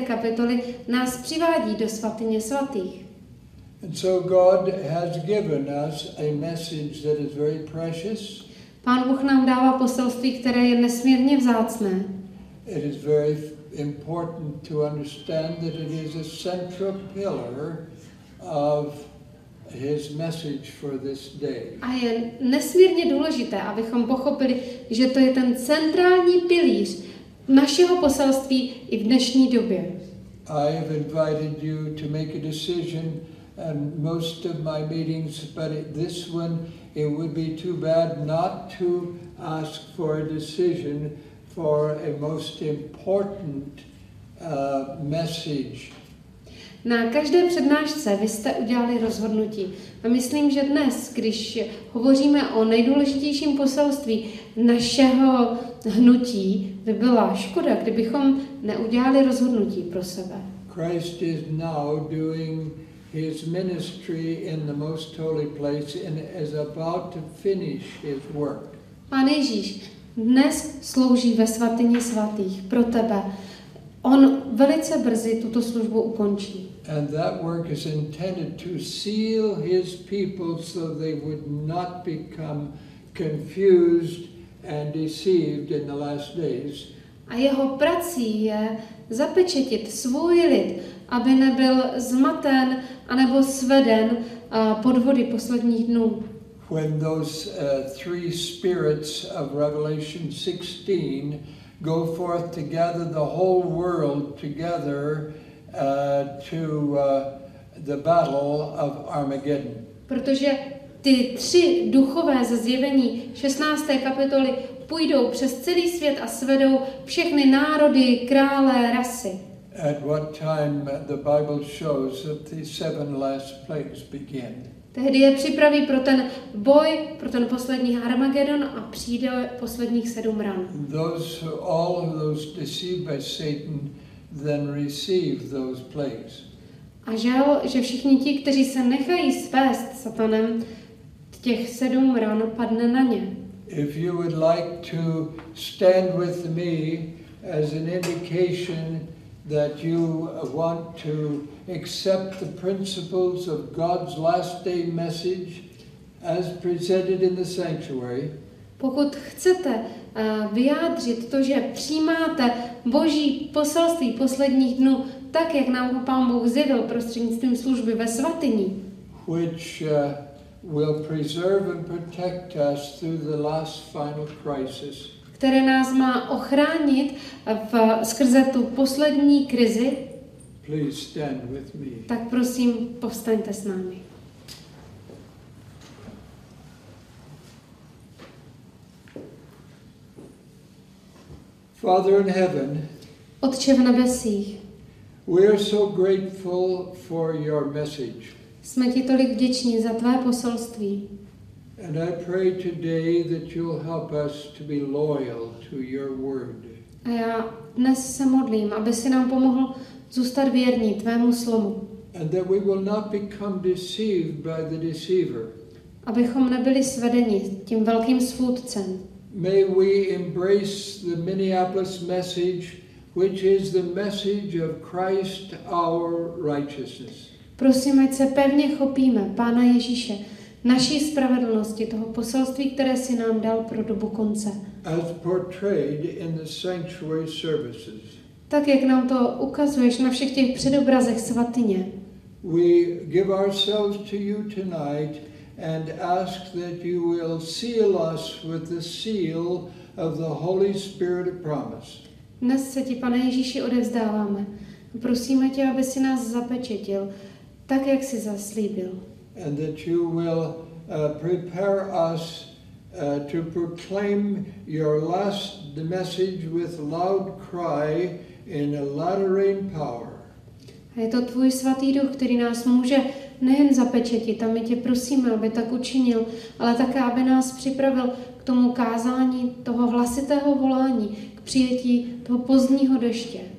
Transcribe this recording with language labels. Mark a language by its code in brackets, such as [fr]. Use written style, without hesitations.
[cs] kapitoly nás přivádí do svatyně svatých. [en] And so God has given us a message that is very precious. [cs] Pán Bůh nám dává poselství, které je nesmírně vzácné. [en] It is very important to understand that it is a central pillar of his message for this day. [cs] A je nesmírně důležité, abychom pochopili, že to je ten centrální pilíř našeho poselství i v dnešní době. [en] I have invited you to make a decision. And most of my meetings, but this one, it would be too bad not to ask for a decision for a most important message. [cs] Na každé přednášce vy jste udělali rozhodnutí. A myslím, že dnes, když hovoříme o nejdůležitějším poselství našeho hnutí, by byla škoda, kdybychom neudělali rozhodnutí pro sebe. [en] Christ is now doing his ministry in the most holy place and is about to finish his work. [cs] Pán Ježíš dnes slouží ve svatyni svatých pro tebe. On velice brzy tuto službu ukončí. [en] And that work is intended to seal his people so they would not become confused and deceived in the last days. [cs] A jeho prací je zapečetit svůj lid, aby nebyl zmaten anebo sveden podvody posledních dnů. [en] When those three spirits of Revelation 16 go forth to gather the whole world together to the battle of Armageddon. [cs] Protože ty tři duchové ze zjevení 16. kapitoly půjdou přes celý svět a svedou všechny národy, krále, rasy. [en] At what time the Bible shows that the seven last plagues begin. [cs] Tehdy je připraví pro ten boj, pro ten poslední Armagedon a přijde posledních sedm ran. [en] All of those deceived by Satan then receive those plagues. [cs] A žel, že všichni ti, kteří se nechají svést Satanem, těch sedm ran padne na ně. [en] If you would like to stand with me as an indication that you want to accept the principles of God's last day message as presented in the sanctuary. [cs] Pokud chcete vyjádřit to, že přijímáte Boží poselství posledních dnů, tak jak nám ho Pán Bůh zjevil prostřednictvím služby ve svatyni. [en] Which will preserve and protect us through the last final crisis. [cs] Které nás má ochránit skrze tu poslední krizi, [en] please stand with me. [cs] Tak prosím, povstaňte s námi. [en] Father in heaven, [cs] Otče v nebesích, [en] We are so grateful for your message. [cs] Jsme ti tolik vděční za tvé poselství. [en] And I pray today that you'll help us to be loyal to your word. [cs] A já dnes se modlím, aby si nám pomohl zůstat věrní tvému slovu. [en] And that we will not become deceived by the deceiver. [cs] Abychom nebyli svedeni tím velkým svůdcem. [en] May we embrace the Minneapolis message, which is the message of Christ our righteousness. [cs] Prosím, ať se pevně chopíme Pána Ježíše, naší spravedlnosti, toho poselství, které si nám dal pro dobu konce. [en] As portrayed in the sanctuary services. [cs] Tak, jak nám to ukazuješ na všech těch předobrazech svatyně. [en] We give ourselves to you tonight and ask that you will seal us with the seal of the Holy Spirit of promise. [cs] Dnes se ti, Pane Ježíši, odevzdáváme. Prosíme tě, aby si nás zapečetil, tak, jak jsi zaslíbil. [en] And that you will prepare us to proclaim your last message with loud cry in a louder power. [cs] A je to tvůj svatý duch, který nás může nejen zapečetit, a my tě prosíme, aby tak učinil, ale také, aby nás připravil k tomu kázání toho hlasitého volání, k přijetí toho pozdního deště.